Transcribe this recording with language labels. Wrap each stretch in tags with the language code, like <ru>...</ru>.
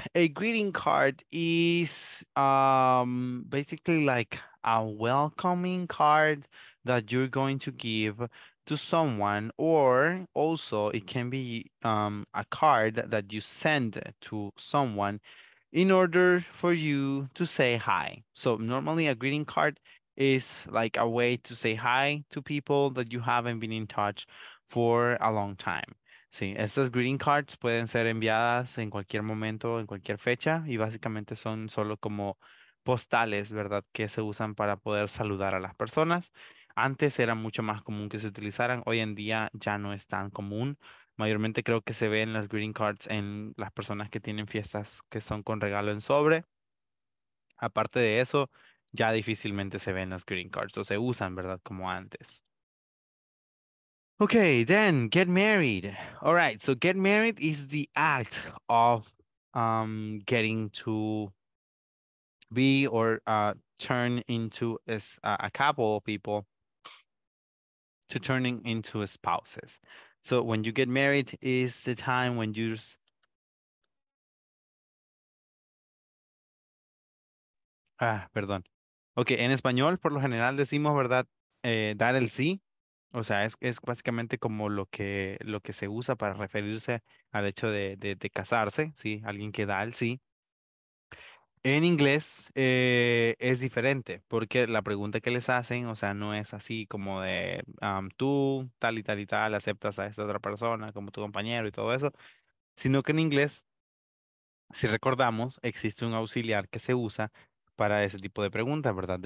<en>A greeting card is basically like a welcoming card that you're going to give to someone, or also it can be a card that you send to someone in order for you to say hi. So normally a greeting card is like a way to say hi to people that you haven't been in touch for a long time.</en> <es>Sí, estas greeting cards pueden ser enviadas en cualquier momento, en cualquier fecha, y básicamente son solo como postales, ¿verdad?, que se usan para poder saludar a las personas. Antes era mucho más común que se utilizaran, hoy en día ya no es tan común. Mayormente creo que se ven las greeting cards en las personas que tienen fiestas que son con regalo en sobre. Aparte de eso, ya difícilmente se ven las greeting cards, o se usan, ¿verdad?, como antes.</es> <en>Okay, then get married. All right, so get married is the act of getting to be or turn into a couple of people, to turning into spouses. So when you get married is the time when you're</en> <es>perdón. Okay, en español por lo general decimos, ¿verdad? Dar el sí. O sea, es básicamente como lo que se usa para referirse al hecho de casarse, ¿sí? Alguien que da el sí. En inglés es diferente, porque la pregunta que les hacen, o sea, no es así como de tú tal y tal y tal aceptas a esta otra persona como tu compañero y todo eso, sino que en inglés, si recordamos, existe un auxiliar que se usa para ese tipo de preguntas, ¿verdad?</es>